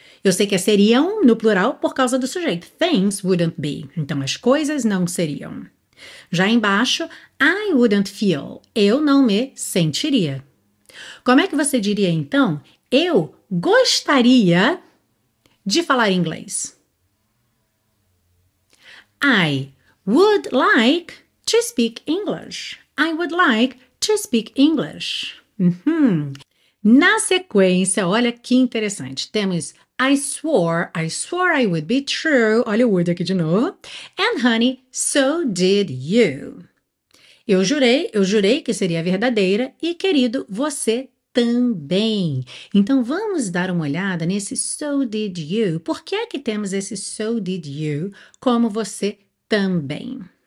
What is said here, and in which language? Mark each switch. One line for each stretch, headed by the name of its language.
Portuguese: Eu sei que é seriam no plural por causa do sujeito.
English: Things wouldn't be.
Portuguese: Então, as coisas não seriam. Já embaixo,
English: I wouldn't feel.
Portuguese: Eu não me sentiria. Como é que você diria, então, eu gostaria de falar inglês?
English: I would like to speak English. I would like to speak English. Uhum.
Portuguese: Na sequência, olha que interessante. Temos
English: I swore I would be true.
Portuguese: Olha o word aqui de novo.
English: And honey, so did you.
Portuguese: Eu jurei que seria verdadeira. E querido, você também. Então vamos dar uma olhada nesse so did you. Por que é que temos esse so did you como você também?